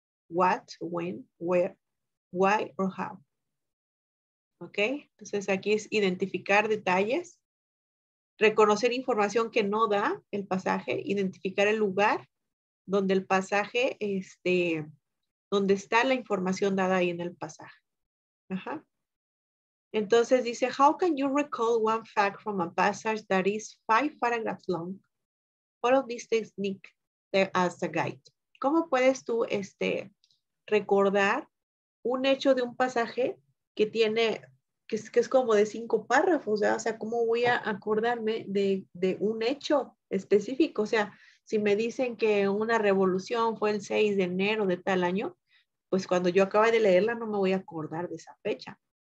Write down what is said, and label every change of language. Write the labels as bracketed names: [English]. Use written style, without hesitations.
[English] What, when, where, why or how. ¿Ok? [Spanish] Entonces aquí es identificar detalles, reconocer información que no da el pasaje, identificar el lugar donde el pasaje, donde está la información dada ahí en el pasaje. Ajá. Entonces dice, [English] how can you recall one fact from a passage that is five paragraphs long? All of these techniques serve as a guide. [Spanish] ¿Cómo puedes tú, recordar un hecho de un pasaje que tiene, que es como de cinco párrafos, ¿ya? O sea, ¿cómo voy a acordarme de un hecho específico? O sea, si me dicen que una revolución fue el 6 de enero de tal año, pues cuando yo acabe de leerla no me voy a acordar de esa fecha.